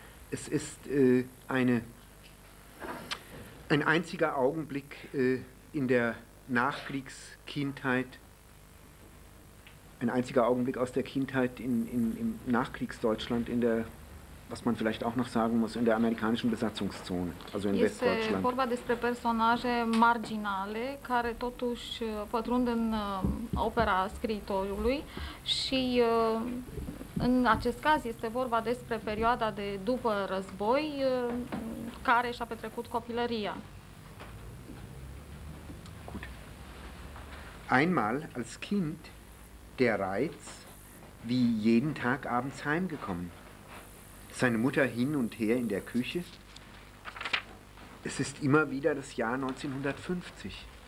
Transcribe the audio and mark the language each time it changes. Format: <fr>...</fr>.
<de>Es ist ein einziger Augenblick in der Nachkriegskindheit, ein einziger Augenblick aus der Kindheit im Nachkriegsdeutschland, in der, was man vielleicht auch noch sagen muss, in der amerikanischen Besatzungszone, also in Westdeutschland.</de> <ro>Este vorba despre personaje marginale care totuși pătrund în opera scriitorului și în acest caz este vorba despre perioada de după război care și-a petrecut copilăria.</ro> <de>Gut. Einmal als Kind der Reiz, wie jeden Tag abends heimgekommen. Seine Mutter hin und her in der Küche. Es ist immer wieder das Jahr 1950.</de>